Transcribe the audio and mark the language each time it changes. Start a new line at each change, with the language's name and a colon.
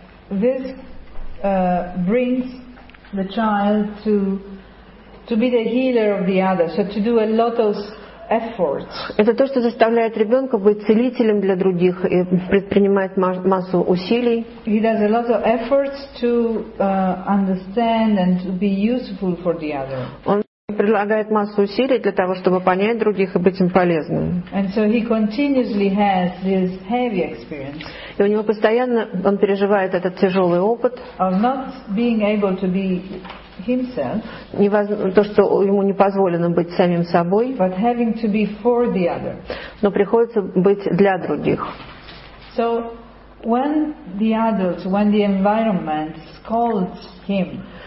English: This brings the child to be the healer of the other, so to do a lot of effort.
Russian: Это то, что заставляет ребенка быть целителем для других и предпринимать массу усилий.
English: He does a lot of efforts to understand and to be useful for the other.
Russian: Он прилагает массу усилий для того, чтобы понять других и быть им полезным.
English: And so he continuously has this heavy experience.
Russian: И у него постоянно он переживает этот тяжелый опыт.
English: Of not being able to be himself,
Russian: то, что ему не позволено быть самим собой,
English: but having to be for the other.
Russian: Но приходится быть для других.
English: So when the adults, when the environment scolds him,